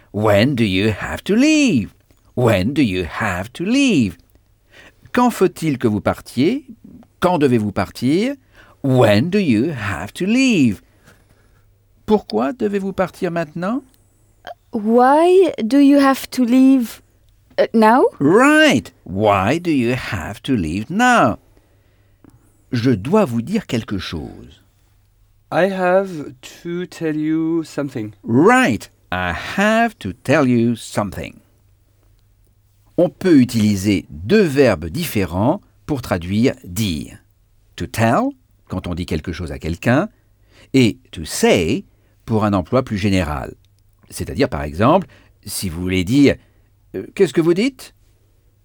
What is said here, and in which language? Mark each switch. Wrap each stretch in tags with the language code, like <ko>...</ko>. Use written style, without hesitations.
<en>When do you have to leave? When do you have to leave?</en> <fr>Quand faut-il que vous partiez? Quand devez-vous partir?</fr> <en>When do you have to leave?</en> <fr>Pourquoi devez-vous partir maintenant?</fr> <en>Why do you have to leave now? Right! Why do you have to leave now?</en> <fr>Je dois vous dire quelque chose.</fr> <en>I have to tell you something. Right! I have to tell you something.</en> <fr>On peut utiliser deux verbes différents pour traduire « dire ». « To tell » quand on dit quelque chose à quelqu'un et « to say » pour un emploi plus général. C'est-à-dire, par exemple, si vous voulez dire « qu'est-ce que vous dites ?»</fr>